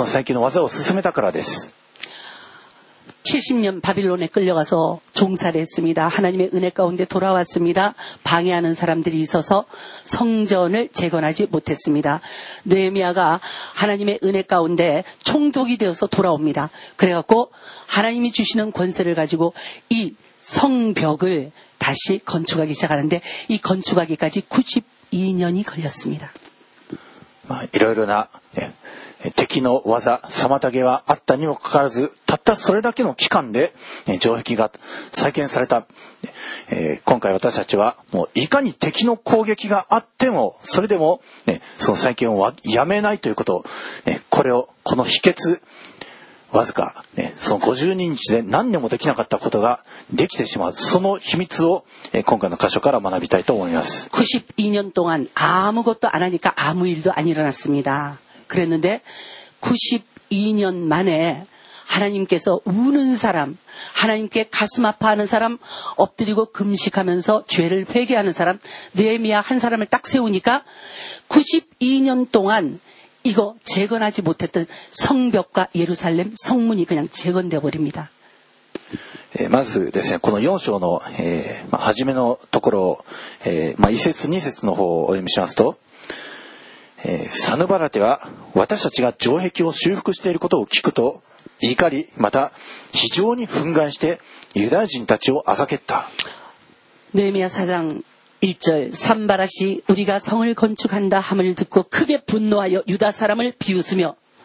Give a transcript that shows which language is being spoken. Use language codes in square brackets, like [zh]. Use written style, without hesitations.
[ja] それ人々にネヘミヤが働きかけて、そしてその先の技を進めたからです。 [ko] 70년 바빌론에 끌려가서 종살이 했습니다. 하나님의 은혜 가운데 돌아왔습니다. 방해하는 사람들이 있어서 성전을 재건하지 못했습니다. 느헤미야가 하나님의 은혜 가운데 총독이 되어서 돌아옵니다. 그래갖고 하나님이 주시는 권세를 가지고 이 성벽을 다시 건축하기 시작하는데 이 건축하기까지 92년이 걸렸습니다. 이러이러나 [ja] 敵の技妨げはあったにもかかわらず、たったそれだけの期間で城壁が再建された。今回私たちはもういかに敵の攻撃があってもそれでもその再建をやめないということ、これをこの秘訣、わずかその52日で何年もできなかったことができてしまう、その秘密を今回の箇所から学びたいと思います。 [ko] 92년 동안 아무것도 안 하니까 아무 일도 안 일어났습니다. 그랬는데 92년 만에 하나님께서 우는 사람, 하나님께 가슴 아파하는 사람, 엎드리고 금식하면서 죄를 회개하는 사람, 느헤미야 한 사람을 딱 세우니까 92년 동안 이거 재건하지 못했던 성벽과 예루살렘 성문이 그냥 재건되어 버립니다. [ja] まずですね、この4章の初めのところ、1節2節の方をお読みしますと、 サヌバラテは私たちが城壁を修復していることを聞くと怒り、また非常に憤慨してユダヤ人たちを欺けた。 [ko] 느헤미야 사장 1절 산바라시 우리가 성을 건축한다 함을 듣고 크게 분노하여 유다 사람을 비웃으며